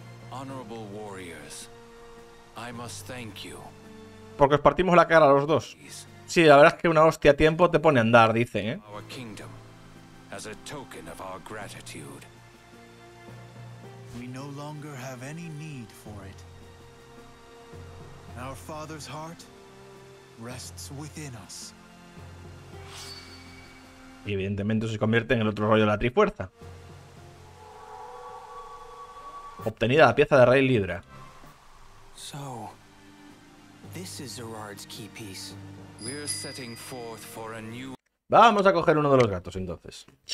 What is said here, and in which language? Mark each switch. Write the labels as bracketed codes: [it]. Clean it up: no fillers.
[en] Honorable warriors, I must thank you. [es] Porque os partimos la cara a los dos. Sí, la verdad es que una hostia a tiempo te pone a andar, dicen, ¿eh? [en] Our kingdom as a token of our gratitude. We no longer have any need for it. Our father's heart rests within us. [es] Y evidentemente se convierte en el otro rollo de la Trifuerza. Obtenida la pieza de Rey Lydra. [en] So, this is Zerard's key piece. We're setting forth for a new... [es] Vamos a coger uno de los gatos entonces.